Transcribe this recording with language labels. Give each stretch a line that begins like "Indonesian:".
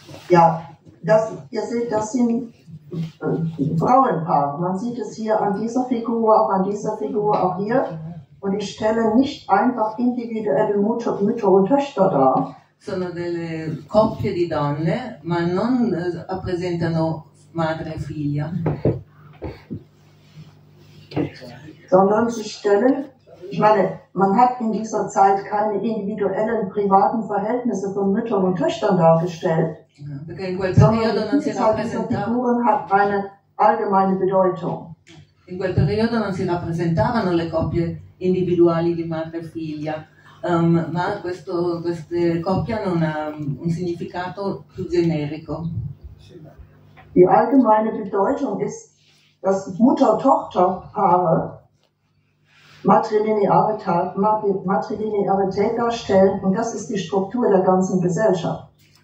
German: Ja, das, ihr seht, das sind Frauenpaar. Man sieht es hier an dieser Figur, auch hier. Und ich stelle nicht einfach individuelle Mütter und Töchter dar.
Italian: Sono delle coppie di donne, ma non rappresentano madre e figlia.
German: Sondern sie stellen... Ich meine, man hat in dieser Zeit keine individuellen privaten Verhältnisse von Müttern und Töchtern dargestellt.
Italian: Okay, in quel periodo non si rappresentava.
German: Diese Figuren hat eine allgemeine Bedeutung.
Italian: In quel periodo non si rappresentavano le coppie individuali di madre e figlia, ma queste coppie hanno un significato più generico.
German: Die allgemeine Bedeutung ist, dass Mutter-Tochter-Paare matrilinearität darstellen und das ist die Struktur der ganzen Gesellschaft.